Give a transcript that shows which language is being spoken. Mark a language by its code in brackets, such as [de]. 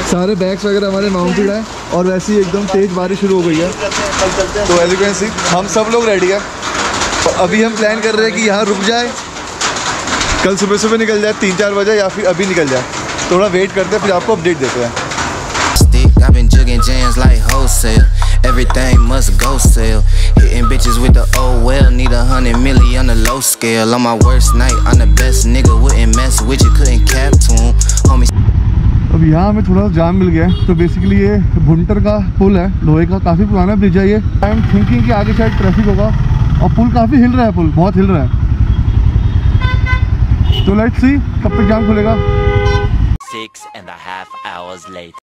[hi] सारे बैग्स वगैरह हमारे माउंटेड है और वैसे ही एकदम तेज बारिश शुरू हो गई है, तो [en] as you can see [hi] हम सब लोग रेडी है। अभी हम प्लान कर रहे हैं कि यहाँ रुक जाए, कल सुबह सुबह निकल जाए 3-4 बजे, या फिर अभी निकल जाए। थोड़ा वेट करते हैं, फिर आपको अपडेट देते हैं। [en] Everything must go sale. Hitting bitches with the old well. Need 100 million on a low scale. On my worst night, I'm the best nigga. Wouldn't mess with you, couldn't cap to him. [hi] अब यहाँ हमें थोड़ा सा जाम मिल गया है। तो basically ये भुंटर का पुल है, लोहे का, काफ़ी पुराना ब्रिज है ये। [en] I am thinking [hi] कि आगे शायद ट्रैफिक होगा और पुल काफ़ी हिल रहा है, पुल बहुत हिल रहा है। तो [en] let's see [hi] कब तक जाम खुलेगा। [en] 6.5 hours late.